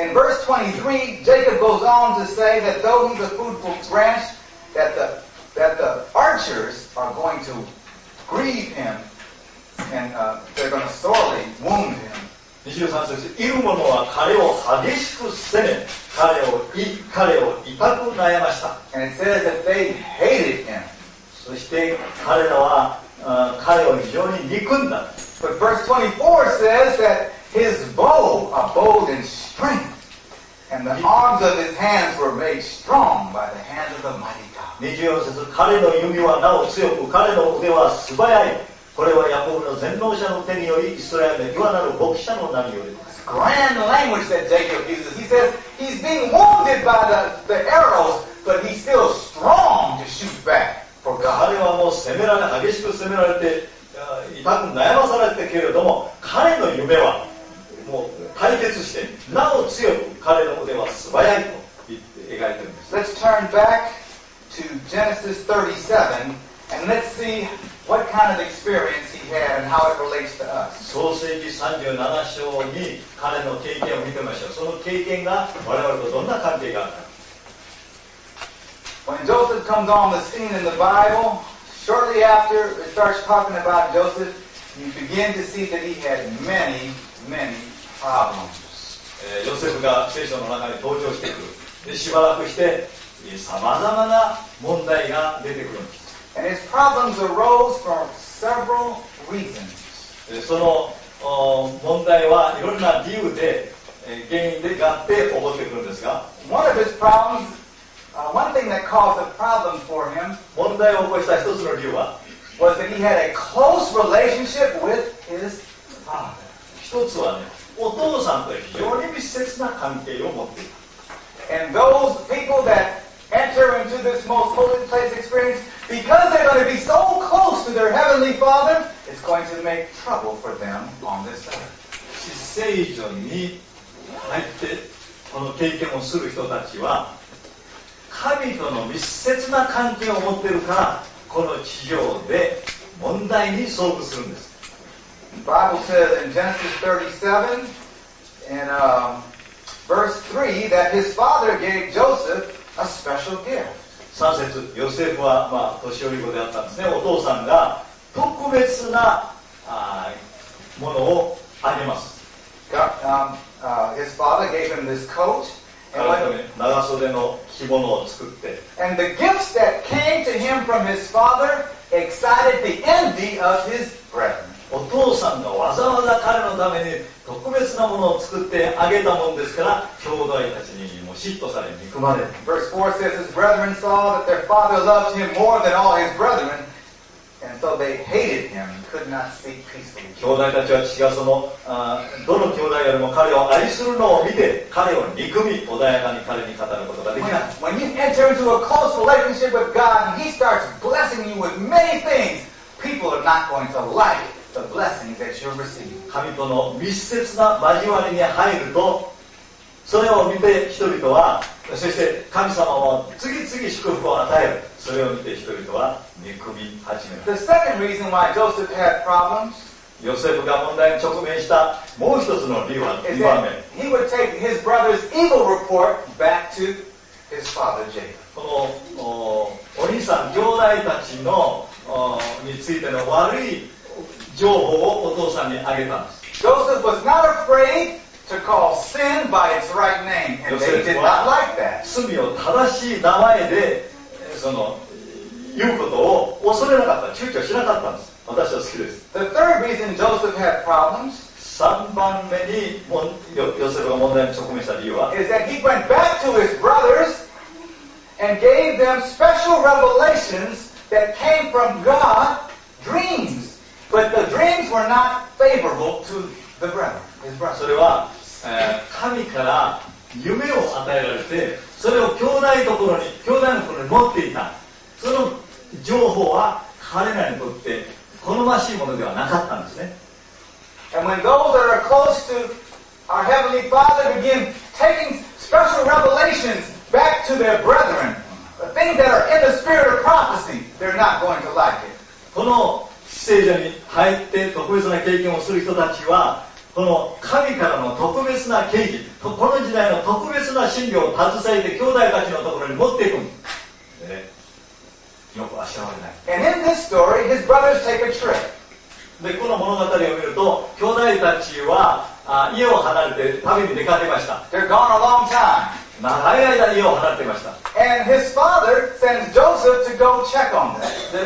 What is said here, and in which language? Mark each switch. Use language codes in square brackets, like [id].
[en] In verse 23, Jacob goes on to say that though he's a fruitful branch, that the archers are going to grieve him and they're going to sorely wound him. [ja] 23節、いる者は彼を激しく責め、彼を痛く悩ました。 [en] And it says that they hated him. [ja] そして彼らは彼を非常に憎んだ。 [en] But verse 24 says that his bow abode in strength, and the arms of his hands were made strong by the hand of the mighty God. [ja] 24節、彼の弓はなお強く、彼の腕は素早い。これはヤコブの全能者の手により、イスラエルの岩なる牧者の名により。 [en] It's grand language that Jacob uses. He says he's being wounded by the arrows, but he's still strong to shoot back. [ja] 彼はもう攻められ激しく攻められて痛く悩まされてけれども、彼の夢はもう対決してなお強く彼の腕は素早いと言って描いているんです。 [en] Let's turn back to Genesis 37 and let's see what kind of experience he had and how it relates to us. [ja] 創世記37章に彼の経験を見てみましょう。その経験が我々とどんな関係があるか。 [en] When Joseph comes on the scene in the Bible, shortly after it starts talking about Joseph, you begin to see that he had many, many problems. [ja] ヨセフが聖書の中に登場してくる。で、しばらくして、さまざまな問題が出てくるんです。 [en] And his problems arose from several reasons. [ja] その問題はいろんな理由で、原因で合って起こってくるんですが、 [en] One of his problems. One thing that caused a problem for him [ja] 問題を起こした一つの理由は [en] was that he had a close relationship with his father. [ja] 一つはね、お父さんと非常に密接な関係を持っていた。 [en] And those people that enter into this most holy place experience, because they're going to be so close to their heavenly father, is going to make trouble for them on this earth. [ja] 至聖所に入ってこの経験をする人たちは神との密接な関係を持っているからこの地上で問題に遭遇するんです。 [en] The Bible says in Genesis 37 in verse 3 that his father gave Joseph a special gift. [ja] 3節、ヨセフは、まあ、年寄り子であったんですね。お父さんが特別なものをあげます。 [en] His father gave him this coat. [ja] 長袖の着物を作って。 [en] And the gifts that came to him from his father excited the envy of his brethren. [ja] お父さんがわざわざ彼のために特別なものを作ってあげたもんですから、兄弟たちにも嫉妬され、憎まれ。 [en] Verse 4 says his brethren saw that their father loved him more than all his brethren. And so they hated him, could not speak peacefully. [ja] 兄弟たちは父がそのどの兄弟よりも彼を愛するのを見て彼を憎み穏やかに彼に語ることができない。 [en] When you enter into a close relationship with God and he starts blessing you with many things, people are not going to like the blessings that you receive. [ja] 神との密接な交わりに入るとそれを見て人々はそして神様も次々祝福を与える。それを見て人々は憎み始める。 [en] The second reason why Joseph had problems, [ja] ヨセフが問題に直面したもう一つの理由は2番目。 [en] He would take his brother's evil report back to his father Jacob. [ja] このお兄さん兄弟たちのについての悪い情報をお父さんにあげたんです。 [en] Joseph was not afraidTo call sin by its right name, and they did not like that. [ja] 罪を正しい名前でその言うことを恐れなかった、躊躇しなかったんです。私は好きです。 [en] The third reason Joseph had problems, [ja] 三番目にヨセフが問題に直面した理由は、 [en] is that he went back to his brothers and gave them special revelations that came from God, dreams, but the dreams were not favorable to the brother. [ja] それは、神から夢を与えられてそれを兄弟ところに兄弟のところに持っていた。その情報は彼らにとって好ましいものではなかったんですね。 [en] And when those that are close to our Heavenly Father begin taking special revelations back to their brethren, the things that are in the spirit of prophecy, they're not going to like it. [ja] この聖所に入って特別な経験をする人たちはこの神からの特別な啓示、この時代の特別な真理を携えて兄弟たちのところに持っていくんです。よくあしらわれない。 [en] And in this story, his brothers take a trip. [ja] で、この物語を見ると、兄弟たちは家を離れて旅に出かけました。 [en] They're gone a long time. [ja] 長い間家を離れていました。 [en] And his father sends Joseph to go check on them.